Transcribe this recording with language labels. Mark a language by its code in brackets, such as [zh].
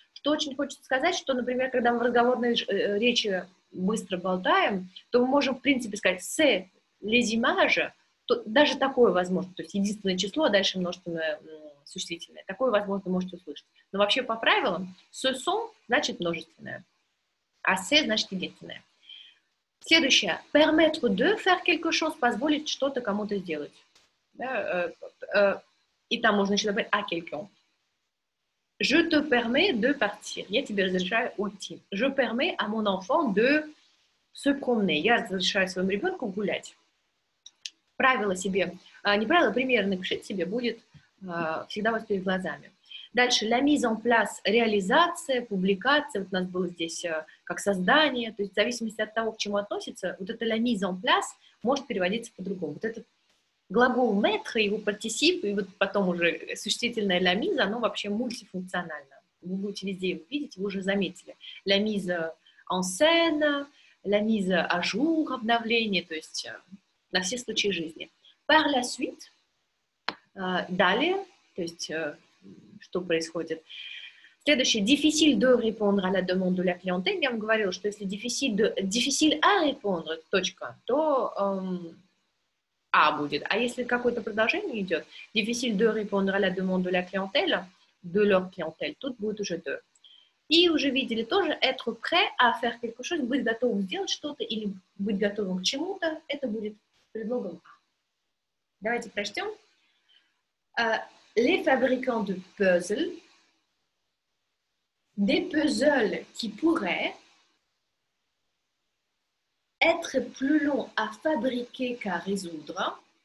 [ru] Что очень хочется сказать, что, например, когда мы в разговорной речи быстро болтаем, то мы можем, в принципе, сказать [fr] «c'est les images», [ru] то даже такое возможно, то есть единственное число, а дальше множественное существительное. Такое, возможно, можете услышать. Но вообще по правилам «ce sont» значит множественное, а «c'est» значит единственное. Следующее. [fr] «Permettre de faire quelque chose» — [ru] позволить что-то кому-то сделать. Да? И там можно еще добавить [fr] «à quelqu'un». «Je te permets de partir» — [ru] я тебе разрешаю уйти. [fr] «Je permets à mon enfant de se promener» — [ru] я разрешаю своему ребенку гулять. Правила себе, не правила, примеры напишите себе, будет всегда вас перед глазами. Дальше, la mise en place, реализация, публикация, вот у нас было здесь как создание, то есть в зависимости от того, к чему относится, вот это la mise en place может переводиться по-другому. Вот этот глагол mettre, его particip, и вот потом уже существительное la mise, оно вообще мультифункционально. Вы будете везде его видеть, вы уже заметили. [fr] La mise en scène, la mise à jour, [ru] обновление, то есть... на все случаи жизни. [fr] Par la suite, [ru] далее, то есть, что происходит. Следующее, [fr] difficile de répondre à la demande de la clientèle. [ru] Я вам говорила, что если [fr] difficile à répondre, [ru] точка, то будет. А если какое-то продолжение идет, [fr] difficile de répondre à la demande de la clientèle, de leur clientèle, [ru] тут будет уже [fr] de. [ru] И уже видели тоже [fr] être prêt à faire quelque chose, [ru] быть готовым сделать что-то или быть готовым к чему-то, это будет предлогом. Давайте прочтем. [fr] Les fabricants de puzzles, des puzzles qui pourraient être plus longs à fabriquer qu'à résoudre,